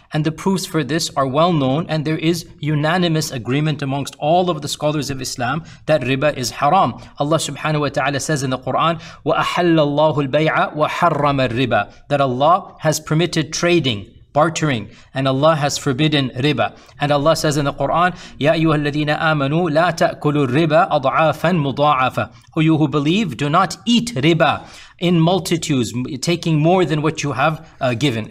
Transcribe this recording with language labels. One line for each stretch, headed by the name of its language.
English: And the proofs for this are well known, and there is unanimous agreement amongst all of the scholars of Islam that riba is haram. Allah subhanahu wa ta'ala says in the Quran,
Arabic: وَأَحَلَّ اللَّهُ الْبَيْعَ وَحَرَّمَ الرِّبَى,
English: that Allah has permitted trading, bartering, and Allah has forbidden riba. And Allah says in the Quran,
Arabic: يَا أَيُّهَا الَّذِينَ آمَنُوا لَا تَأْكُلُوا الرِّبَى أَضْعَافًا مُضَاعَفًا.
English: O you who believe, do not eat riba in multitudes, taking more than what you have given.